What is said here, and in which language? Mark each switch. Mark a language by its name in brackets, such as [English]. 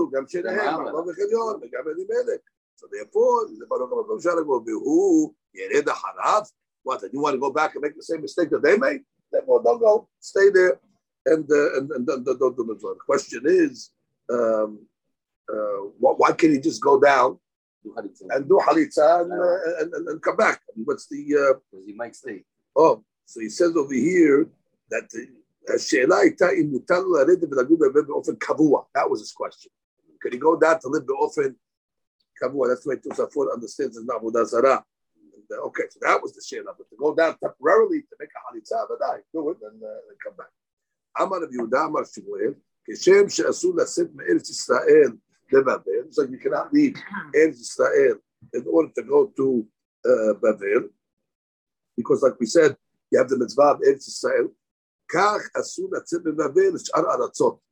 [English] So therefore, what, you want to go back and make the same mistake that they made? Therefore, don't go. Stay there and don't do the mitzvah. The question is, why can't he just go down and do halitza and come back? What's the... Because he might stay. Oh, so he says over here that [Hebrew] השאלה הייתה אם מותר לו לרדת ולגור בבית באופן קבוע. [English] That was his question. Could he go down to live [Hebrew] באופן קבוע? [English] That's the way Tosafot understands it's not עבודה זרה. Okay, so that was the שאלה. But to go down temporarily to make a חליצה, ודאי, do it and come back. [Hebrew] אמר רבי יהודה, אמר שמואל, כשם שאסור לשאת מארץ ישראל לבבל, [English] so you cannot leave ארץ ישראל in order to go to בבל, because like we said, you have the מצווה of ארץ ישראל, [Hebrew] כך אסור לצאת מבבל לשאר ארצות.